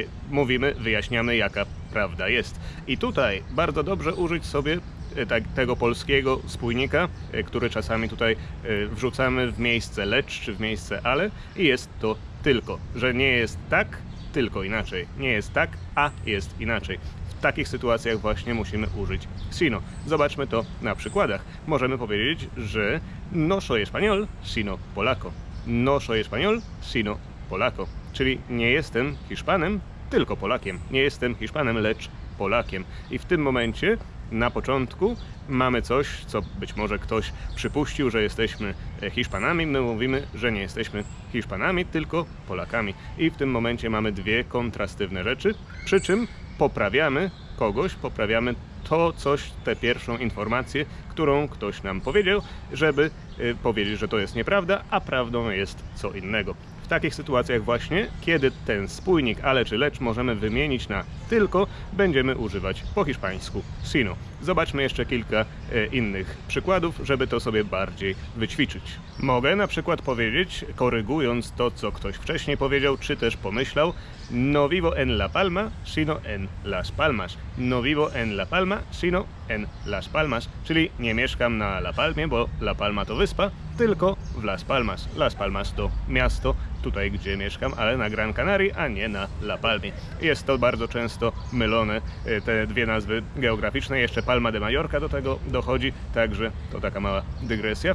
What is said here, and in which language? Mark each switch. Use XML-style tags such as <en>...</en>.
<pl>Mówimy, wyjaśniamy, jaka prawda jest. I tutaj bardzo dobrze użyć sobie tego polskiego spójnika, który czasami tutaj wrzucamy w miejsce lecz czy w miejsce ale, i jest to tylko, że nie jest tak, tylko inaczej. Nie jest tak, a jest inaczej. W takich sytuacjach właśnie musimy użyć sino. Zobaczmy to na przykładach. Możemy powiedzieć, że</pl> <es>no soy español, sino polaco. No soy español, sino polaco.</es> <pl>Czyli nie jestem Hiszpanem, tylko Polakiem. Nie jestem Hiszpanem, lecz Polakiem. I w tym momencie na początku mamy coś, co być może ktoś przypuścił, że jesteśmy Hiszpanami. My mówimy, że nie jesteśmy Hiszpanami, tylko Polakami. I w tym momencie mamy dwie kontrastywne rzeczy, przy czym poprawiamy kogoś, poprawiamy to coś, tę pierwszą informację, którą ktoś nam powiedział, żeby powiedzieć, że to jest nieprawda, a prawdą jest co innego. W takich sytuacjach właśnie, kiedy ten spójnik ale czy lecz możemy wymienić na tylko, będziemy używać po hiszpańsku sino. Zobaczmy jeszcze kilka innych przykładów, żeby to sobie bardziej wyćwiczyć. Mogę na przykład powiedzieć, korygując to, co ktoś wcześniej powiedział, czy też pomyślał,</pl> <es>no vivo en La Palma, sino en Las Palmas. No vivo en La Palma, sino en Las Palmas.</es> <pl>Czyli nie mieszkam na La Palmie, bo La Palma to wyspa, tylko w Las Palmas. Las Palmas to miasto, tutaj gdzie mieszkam, ale na Gran Canaria, a nie na La Palmie. Jest to bardzo często mylone, te dwie nazwy geograficzne. Jeszcze Palma de Mallorca do tego dochodzi, także to taka mała dygresja.</pl>